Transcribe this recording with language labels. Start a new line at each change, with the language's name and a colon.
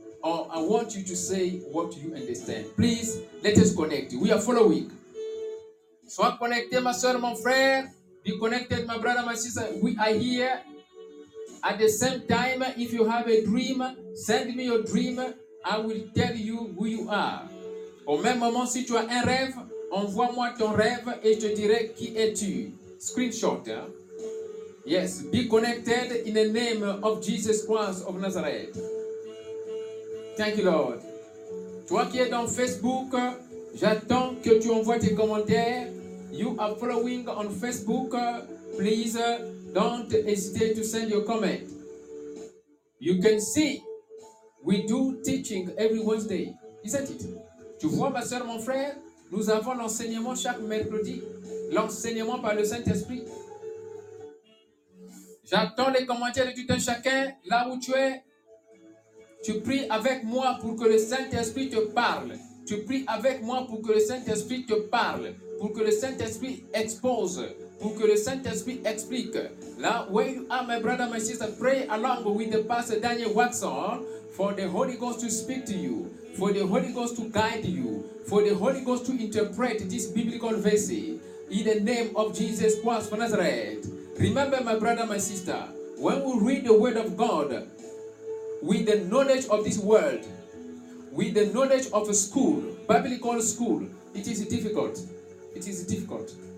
English: Or I want you to say what you understand. Please, let us connect. We are following.
French: Sois connecté, ma soeur, mon frère.
English: Be connected, my brother, my sister. We are here. At the same time, if you have a dream, send me your dream. I will tell you who you are.
French: Au même moment, si tu as un rêve, envoie-moi ton rêve et je te dirai qui es-tu.
English: Screenshot. Hein? Yes, be connected in the name of Jesus Christ of Nazareth. Thank you, Lord.
French: Toi qui es dans Facebook, j'attends que tu envoies tes commentaires.
English: You are following on Facebook. Please don't hesitate to send your comment. You can see we do teaching every Wednesday. Isn't it?
French: Tu vois, ma soeur, mon frère, nous avons l'enseignement chaque mercredi, l'enseignement par le Saint-Esprit. J'attends les commentaires de tout un chacun, là où tu es. Tu pries avec moi pour que le Saint-Esprit te parle. Tu pries avec moi pour que le Saint-Esprit te parle, pour que le Saint-Esprit expose, pour que le Saint-Esprit explique.
English: Là, where you are, my brother, my sister, pray along with the pastor Daniel Watson for the Holy Ghost to speak to you, for the Holy Ghost to guide you, for the Holy Ghost to interpret this biblical verse in the name of Jesus Christ of Nazareth. Remember, my brother, my sister, when we read the Word of God with the knowledge of this world, with the knowledge of a school, biblical school, it is difficult. It is difficult.